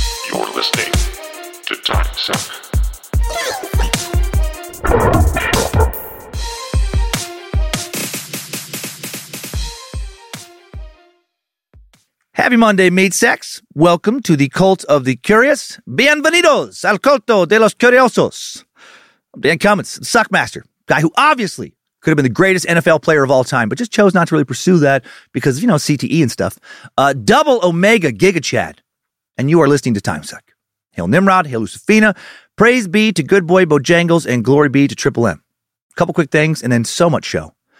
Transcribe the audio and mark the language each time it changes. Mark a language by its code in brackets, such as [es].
[en] You're listening to Time Suck. Happy Monday, Meat Sex. Welcome to the Cult of the Curious. [es] Bienvenidos al Culto de los Curiosos. [en] I'm Dan Cummins, Suckmaster. Guy who obviously could have been the greatest NFL player of all time, but just chose not to really pursue that because, you know, CTE and stuff. Double Omega Giga Chad. And you are listening to Time Suck. Hail Nimrod. Hail Lucifina. Praise be to good boy Bojangles and glory be to Triple M. A couple quick things and then so much show.